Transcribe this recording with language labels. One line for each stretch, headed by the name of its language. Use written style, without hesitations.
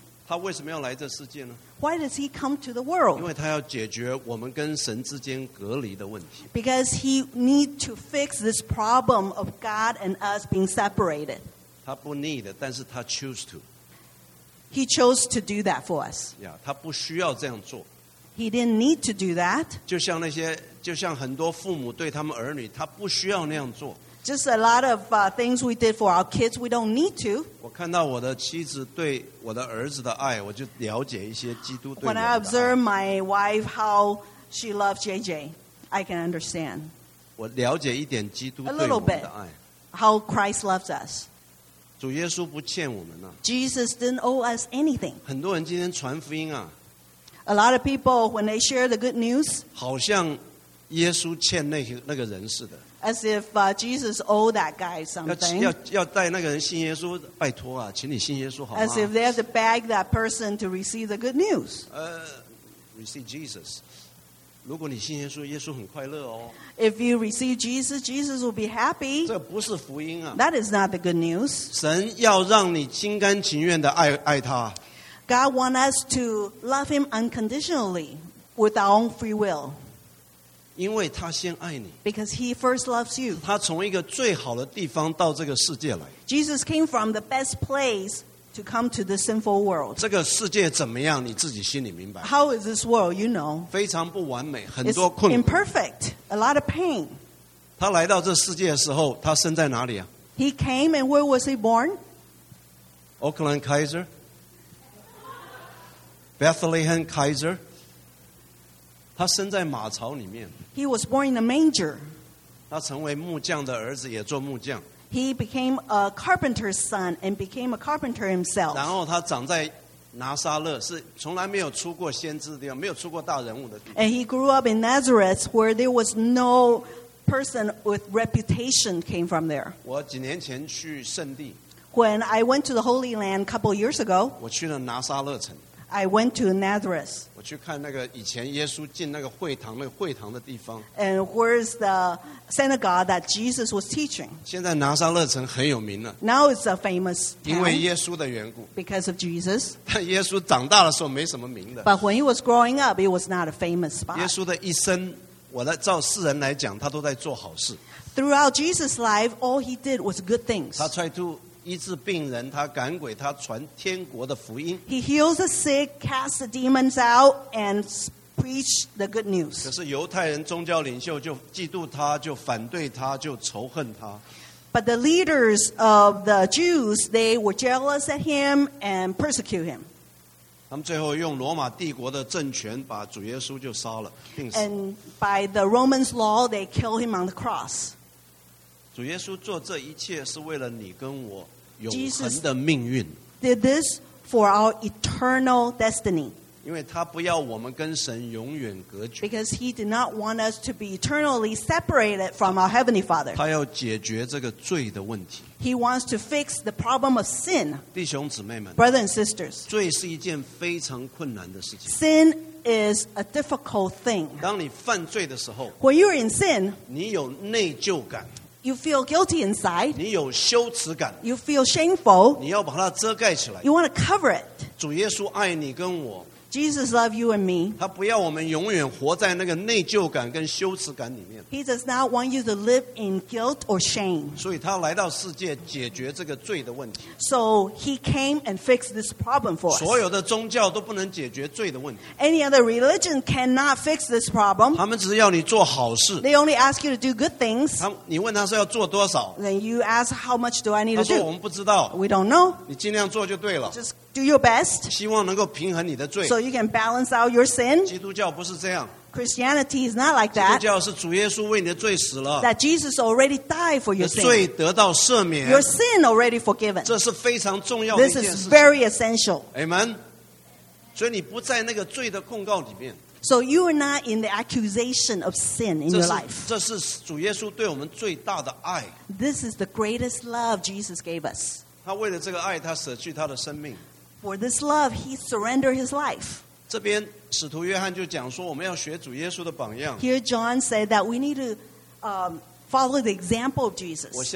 Chinese: 他为什么要来这世界呢?
English: Why does he come to the world?
Chinese: 因为他要解决我们跟神之间隔离的问题.
English: Because he needs to fix this problem of God and us being separated.
Chinese: 他不
English: need,
Chinese: 但是他
English: choose to. He chose to do that for us.
Chinese: Yeah, 他不需要这样做.
English: He didn't need to do that.
Chinese: 就像很多父母对他们儿女, 他不需要那样做.
English: Just a lot of things we did for our kids, we don't need to.
Chinese: 我看到我的妻子对我的儿子的爱, 我就了解一些基督对我的爱。
English: When I observe my wife, how she loves JJ, I can understand.
Chinese: 我了解一点基督对我的爱。
English: A little bit, how Christ loves us.
Chinese: 主耶稣不欠我们啊,
English: Jesus didn't owe us anything.
Chinese: 很多人今天传福音啊,
English: a lot of people, when they share the good news,
Chinese: 好像耶稣欠那个人似的,
English: as if Jesus owed that guy something.
Chinese: 要带那个人信耶稣,拜托啊, 请你信耶稣好吗?
English: As if they have to beg that person to receive the good news. Receive Jesus.
Chinese: 如果你信耶稣, 耶稣很快乐哦。
English: If you receive Jesus, Jesus will be happy.
Chinese: 这不是福音啊。
English: That is not the good news.
Chinese: 神要让你心甘情愿地爱他。
English: God wants us to love him unconditionally with our own free will.
Chinese: 因为他先爱你。
English: Because he first loves you.
Chinese: 他从一个最好的地方到这个世界来。
English: Jesus came from the best place to come to the sinful world.
Chinese: 这个世界怎么样, 你自己心里明白。
English: How is this world, you know?
Chinese: 非常不完美, 很多困难。
English: It's imperfect, a lot of pain.
Chinese: 他来到这世界的时候, 他生在哪里啊?
English: He came and where was he born? Oakland Kaiser?
Chinese: Bethlehem Kaiser? 他生在马槽里面。
English: He was born in a manger.
Chinese: 他成为木匠的儿子, 也做木匠。
English: He became a carpenter's son and became a carpenter himself.
Chinese: 然后他长在拿撒勒, 是从来没有出过先知的地方, 没有出过大人物的地方。
English: And he grew up in Nazareth where there was no person with reputation came from there.
Chinese: 我几年前去圣地,
English: when I went to the Holy Land a couple of years ago,
Chinese: 我去了拿撒勒城,
English: I went to Nazareth.
Chinese: 我去看那个以前耶稣进那个会堂的会堂的地方,
English: and where's the synagogue that Jesus was teaching.
Chinese: 现在拿撒勒城很有名了,
English: now it's a famous town,
Chinese: 因为耶稣的缘故,
English: because of Jesus.
Chinese: 但耶稣长大的时候没什么名的,
English: but when he was growing up, it was not a famous spot.
Chinese: 耶稣的一生, 我照世人来讲, 他都在做好事。
English: Throughout Jesus' life, all he did was good things.
Chinese: 他医治病人, 他赶鬼, 他传天国的福音,
English: he heals the sick, casts the demons out, and preach the good news.
Chinese: 可是犹太人宗教领袖就嫉妒他, 就反对他, 就仇恨他。
English: But the leaders of the Jews, they were jealous at him and persecute him.
Chinese: 他们最后用罗马帝国的政权把主耶稣就杀了,
English: and by the Romans' law, they killed him on the cross.
Chinese: 主耶稣做这一切是为了你跟我,
English: Jesus did this for our eternal destiny. Because he did not want us to be eternally separated from our Heavenly Father. He wants to fix the problem of sin.
Chinese: 弟兄姊妹们,
English: brothers and sisters,
Chinese: 罪是一件非常困难的事情。
English: Sin is a difficult thing.
Chinese: 当你犯罪的时候,
English: when you are in sin,
Chinese: 你有内疚感,
English: you feel guilty inside.
Chinese: 你有羞耻感,
English: you feel shameful.
Chinese: 你要把它遮盖起来,
English: you want to cover it.
Chinese: 主耶稣爱你跟我,
English: Jesus loves you and me.
Chinese: 他不要我们永远活在那个内疚感跟羞耻感里面。
English: He does not want you to live in guilt or shame.
Chinese: 所以他来到世界解决这个罪的问题。
English: So he came and fixed this problem for us.
Chinese: 所有的宗教都不能解决罪的问题。
English: Any other religion cannot fix this problem.
Chinese: 他们只是要你做好事。
English: They only ask you to do good things.
Chinese: 你问他是要做多少。
English: Then you ask, how much do I need to do?
Chinese: 他说我们不知道。
English: We don't know.
Chinese: 你尽量做就对了。
English: Just do your best.
Chinese: 希望能够平衡你的罪。
English: So you can balance out your sin.
Chinese: 基督教不是这样。
English: Christianity is not like that.
Chinese: 基督教是主耶稣为你的罪死了。
English: That Jesus already died for your sin.
Chinese: 罪得到赦免。
English: Your sin already forgiven.
Chinese: 这是非常重要的一件事。
English: This is very essential. Amen.
Chinese: 所以你不在那个罪的控告里面。
English: So you are not in the accusation of sin in your life.
Chinese: 这是主耶稣对我们最大的爱。
English: This is the greatest love Jesus gave us.
Chinese: 他为了这个爱, 他舍去他的生命。
English: For this love, he surrendered his life.
Chinese: 这边使徒约翰就讲说我们要学主耶稣的榜样。
English: Here John said that we need to follow the example of Jesus.